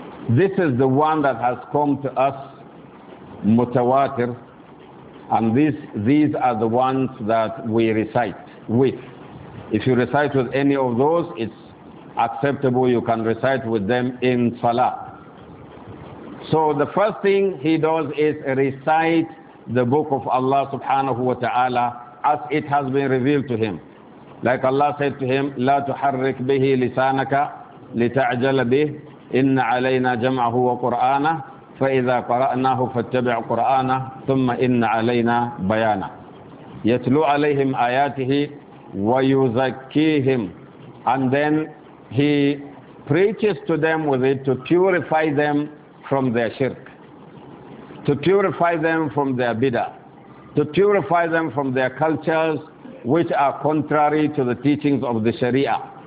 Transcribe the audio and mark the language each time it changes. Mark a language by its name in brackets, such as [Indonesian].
[English] This is the one that has come to us mutawatir, and these are the ones that we recite with. If you recite with any of those, it's acceptable. You can recite with them in salah. So the first thing he does is recite the book of Allah subhanahu wa ta'ala as it has been revealed to him. Like Allah said to him, [Arabic] لا تحرك به لسانك لتعجل به إن علينا جمعه وقرآنه فإذا قرأناه فاتبع قرآنه ثم إن علينا بيانه يتلو عليهم آياته ويزكيهم. [English] And then he preaches to them with it to purify them from their shirk, to purify them from their bidah, to purify them from their cultures which are contrary to the teachings of the Sharia.